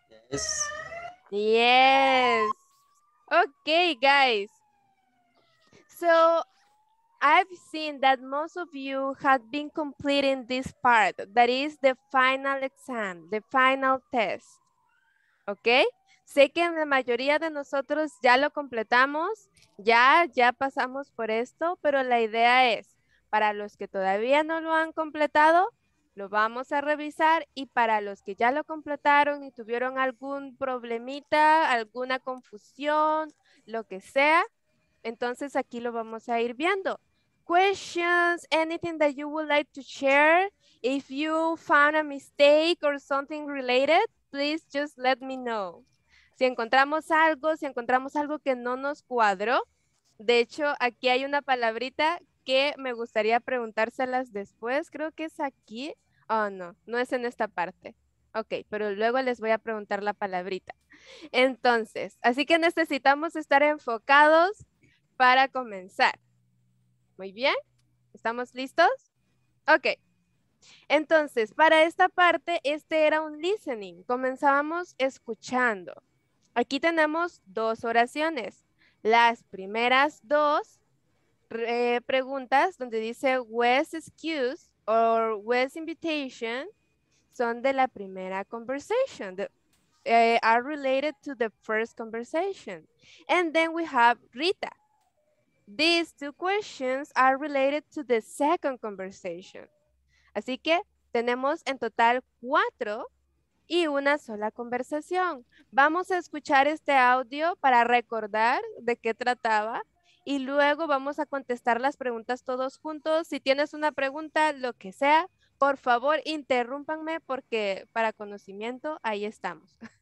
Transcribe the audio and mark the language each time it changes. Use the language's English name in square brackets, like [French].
[English] Yes. Yes. Okay, guys. So, I've seen that most of you have been completing this part, that is the final exam, the final test. Okay? [Spanish] Sé que la mayoría de nosotros ya lo completamos, ya pasamos por esto, pero la idea es, para los que todavía no lo han completado, lo vamos a revisar y para los que ya lo completaron y tuvieron algún problemita, alguna confusión, lo que sea, entonces aquí lo vamos a ir viendo. [English] Questions, anything that you would like to share, if you found a mistake or something related, please just let me know. [Spanish] Si encontramos algo que no nos cuadró, de hecho, aquí hay una palabrita que me gustaría preguntárselas después, creo que es aquí, oh no, no es en esta parte. Ok, pero luego les voy a preguntar la palabrita. Entonces, así que necesitamos estar enfocados para comenzar. Muy bien, ¿estamos listos? Ok. Entonces, para esta parte, este era un listening. Comenzábamos escuchando. Aquí tenemos dos oraciones. Las primeras dos preguntas donde dice [English] where's excuse or where's invitation [Spanish] son de la primera conversation. [English] Are related to the first conversation. And then we have Rita. These two questions are related to the second conversation. [Spanish] Así que tenemos en total cuatro y una sola conversación. Vamos a escuchar este audio para recordar de qué trataba y luego vamos a contestar las preguntas todos juntos. Si tienes una pregunta, lo que sea, por favor, interrúmpanme porque para conocimiento ahí estamos.